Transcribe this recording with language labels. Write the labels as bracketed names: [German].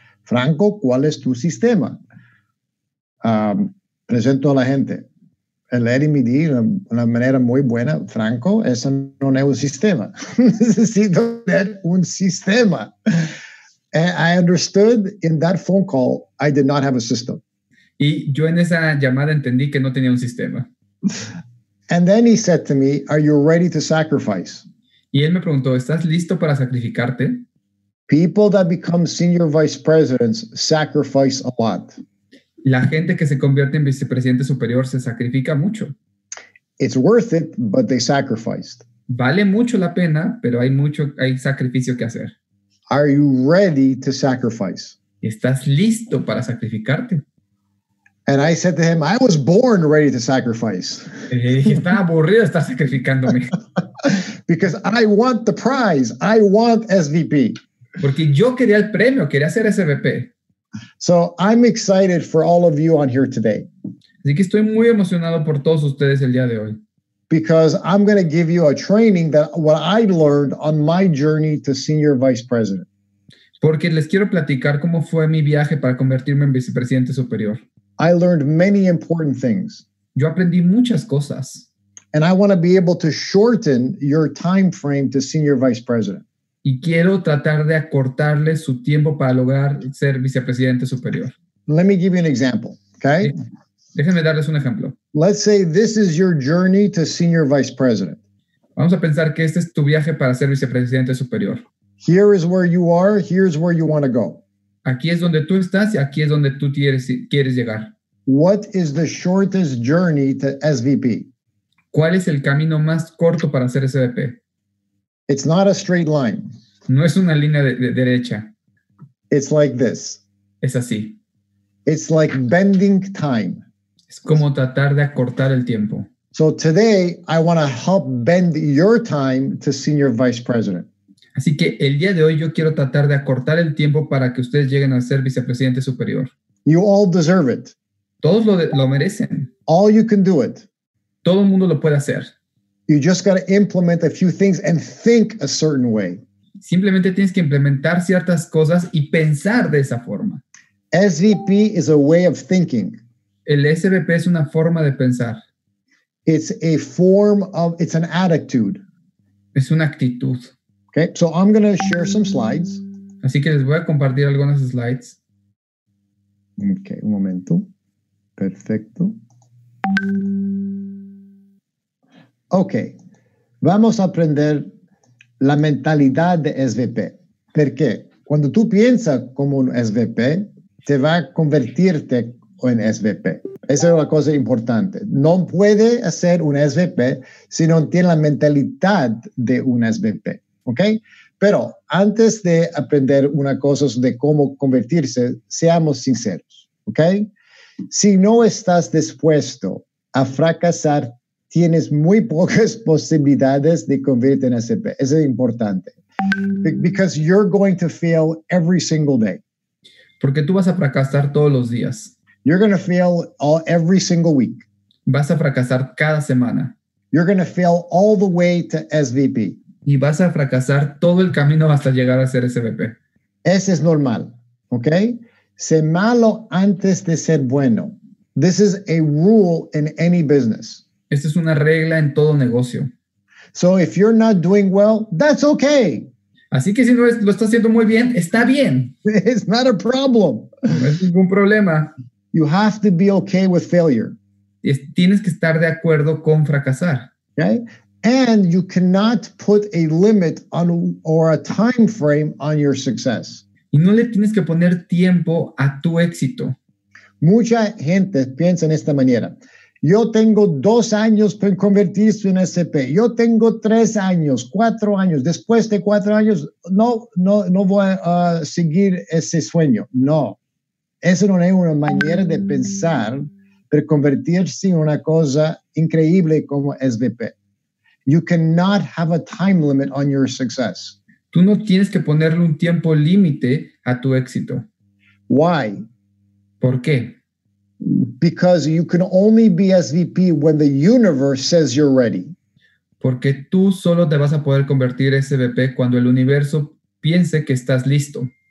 [Spanish] Franco, ¿cuál es tu sistema? Presento a la gente. el leer y medir de una manera muy buena, Franco, eso no es un sistema. Necesito tener un sistema. [English] I understood in that phone call, I did not have a system. [Spanish] Y yo en esa llamada entendí que no tenía un sistema. [English] And then he said to me, are you ready to sacrifice? [Spanish] Y él me preguntó, ¿estás listo para sacrificarte? [English] People that become senior vice presidents sacrifice a lot. [Spanish] La gente que se convierte en vicepresidente superior se sacrifica mucho. [English] It's worth it, but they sacrificed. [Spanish] Vale mucho la pena, pero hay mucho, hay sacrificio que hacer. [English] Are you ready to sacrifice? [Spanish] ¿Estás listo para sacrificarte? [English] And I said to him, I was born ready to sacrifice. [Spanish] Está aburrido estar sacrificándome. [English] Because I want the prize. I want SVP. [Spanish] Porque yo quería el premio, quería ser SVP. [English] So I'm excited for all of you on here today. [Spanish] Así que estoy muy emocionado por todos ustedes el día de hoy. [English] Because I'm going to give you a training that what I learned on my journey to senior vice president. [Spanish] Porque les quiero platicar cómo fue mi viaje para convertirme en vicepresidente superior. [English] I learned many important things. [Spanish] Yo aprendí muchas cosas. [English] And I want to be able to shorten your time frame to senior vice president. [Spanish] Y quiero tratar de acortarle su tiempo para lograr ser vicepresidente superior. [English] Let me give you an example, okay? [Spanish] Déjenme darles un ejemplo. [English] Let's say this is your journey to senior vice president. [Spanish] Vamos a pensar que este es tu viaje para ser vicepresidente superior. [English] Here is where you are, here's where you want to go. [Spanish] Aquí es donde tú estás y aquí es donde tú quieres llegar. [English] What is the shortest journey to SVP? [Spanish] ¿Cuál es el camino más corto para ser SVP? [English] It's not a straight line. [Spanish] No es una línea de derecha. [English] It's like this. [Spanish] Es así. [English] It's like bending time. [Spanish] Es como tratar de acortar el tiempo. [English] So today I want to help bend your time to senior vice president. [Spanish] Así que el día de hoy yo quiero tratar de acortar el tiempo para que ustedes lleguen a ser vicepresidente superior. [English] You all deserve it. [Spanish] Todos lo merecen. [English] All you can do it. [Spanish] Todo el mundo lo puede hacer. [English] You just got to implement a few things and think a certain way. [Spanish] Simplemente tienes que implementar ciertas cosas y pensar de esa forma. [English] SVP is a way of thinking. [Spanish] El SVP es una forma de pensar. [English] It's an attitude. [Spanish] Es una actitud. [English] Okay, so I'm going to share some slides. [Spanish] Así que les voy a compartir algunas slides. Okay, un momento. Perfecto. Okay, vamos a aprender la mentalidad de SVP. ¿Por qué? Cuando tú piensas como un SVP, te va a convertirte en SVP. Esa es la cosa importante. No puede ser un SVP si no tiene la mentalidad de un SVP. ¿Ok? Pero antes de aprender una cosa de cómo convertirse, seamos sinceros. ¿Ok? Si no estás dispuesto a fracasar, tienes muy pocas posibilidades de convertirte en SVP. Eso es importante. [English] Because you're going to fail every single day. [Spanish] Porque tú vas a fracasar todos los días. [English] You're going to fail every single week. [Spanish] Vas a fracasar cada semana. [English] You're going to fail all the way to SVP. [Spanish] Y vas a fracasar todo el camino hasta llegar a ser SVP. Ese es normal, ¿ok? Sé malo antes de ser bueno. [English] This is a rule in any business. [Spanish] Esta es una regla en todo negocio. [English] So if you're not doing well, that's okay. [Spanish] Así que si no lo estás haciendo muy bien, está bien. [English] It's not a problem. [Spanish] No es ningún problema. [English] You have to be okay with failure. [Spanish] Tienes que estar de acuerdo con fracasar. [English] Okay? And you cannot put a limit on or a time frame on your success. [Spanish] Y no le tienes que poner tiempo a tu éxito. Mucha gente piensa en esta manera. Yo tengo 2 años para convertirse en SVP. Yo tengo 3 años, 4 años. Después de 4 años, no voy a seguir ese sueño. No. Eso no es una manera de pensar para convertirse en una cosa increíble como SVP. [English] You cannot have a time limit on your success. [Spanish] Tú no tienes que ponerle un tiempo límite a tu éxito. [English] Why? [Spanish] ¿Por qué? [English] Because you can only be SVP when the universe says you're ready. [Spanish] Porque tú solo te vas a poder convertir en SVP cuando el universo piense que estás listo.